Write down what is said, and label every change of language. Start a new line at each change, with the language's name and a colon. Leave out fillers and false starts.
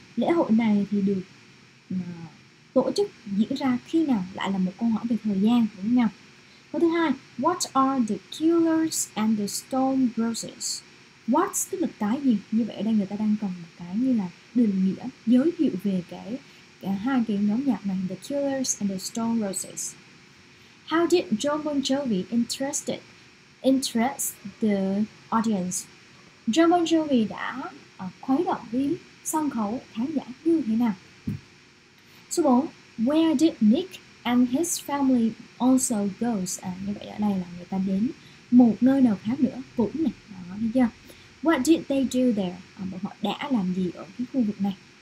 Vietnamese: Lễ hội này thì được tổ chức diễn ra khi nào? Lại là một câu hỏi về thời gian đúng không? Câu thứ hai,
English: what are the killers and the stone bruises?
Vietnamese: What tức là cái gì? Như vậy ở đây người ta đang cần một cái như là định nghĩa, giới thiệu về cái hai cái nhóm nhạc này,
English: the killers and the stone bruises. How did Jon Bon Jovi interest the audience?
Vietnamese: Jon Bon Jovi đã khuấy động đến sân khấu khán giả như thế nào? Số 4,
English: where did Nick and his family also goes?
Vietnamese: Như vậy ở đây là người ta đến một nơi nào khác nữa cũng này, đó, thấy chưa?
English: What did they do there?
Vietnamese: Bọn họ đã làm gì ở cái khu vực này?